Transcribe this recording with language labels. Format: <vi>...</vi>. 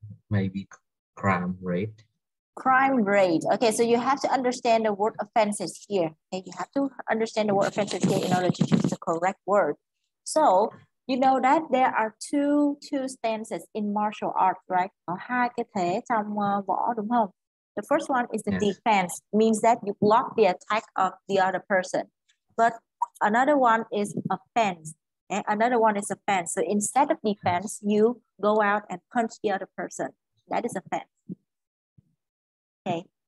<en>Maybe crime rate. Crime rate. Okay, so you have to understand the word offenses here. Okay, you have to understand the word offenses here in order to choose the correct word. So you know that there are two stances in martial arts, right?</en> <vi>Hai cái thế trong võ đúng không?</vi> <en>The first one is the defense, means that you block the attack of the other person. But another one is offense. Okay? Another one is offense. So instead of defense, you go out and punch the other person. That is offense. Okay.</en>